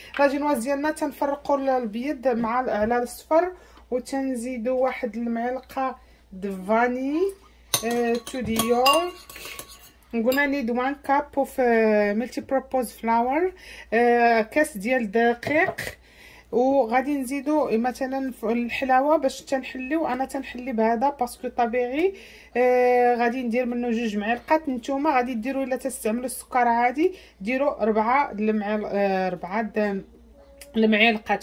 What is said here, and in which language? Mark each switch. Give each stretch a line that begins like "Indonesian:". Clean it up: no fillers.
Arabic: La génoise ديالنا تنفرقوا البيض مع على الصفر وتنزيدوا واحد المعلقة دفاني
English: to the yolk. I'm gonna need 1 cup of multi-purpose flour.
Arabic: كاس ديال الدقيق. وغادي نزيدو مثلا الحلاوه باش تنحليو. انا تنحلي بهذا باسكو طبيعي. غادي ندير منه جوج معلقات. نتوما غادي ديروا الا تستعملوا السكر عادي ديروا 4 المعالق 4 المعلقات.